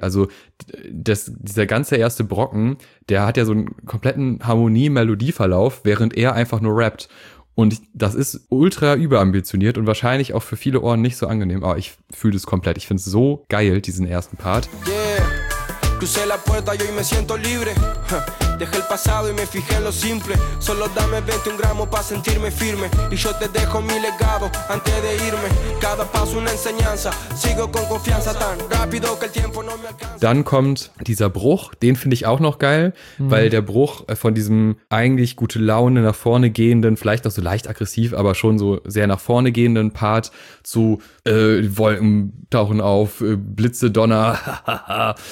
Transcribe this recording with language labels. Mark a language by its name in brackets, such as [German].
[German] Also dieser ganze erste Brocken, der hat ja so einen kompletten Harmonie-Melodie-Verlauf, während er einfach nur rappt. Und das ist ultra überambitioniert und wahrscheinlich auch für viele Ohren nicht so angenehm. Aber ich fühle es komplett. Ich finde es so geil, diesen ersten Part. [Spanish] Crucé la puerta y hoy me siento libre. Dejé el pasado y me fijé en lo simple. Solo dame 21 gramos pa' sentirme firme. Y yo te dejo mi legado antes de irme. Cada paso una enseñanza. Sigo con confianza tan rápido que el tiempo no me alcanza. [German] Dann kommt dieser Bruch. Den finde ich auch noch geil, weil der Bruch von diesem eigentlich gute Laune nach vorne gehenden, vielleicht auch so leicht aggressiv, aber schon so sehr nach vorne gehenden Part zu Wolken tauchen auf, Blitze, Donner.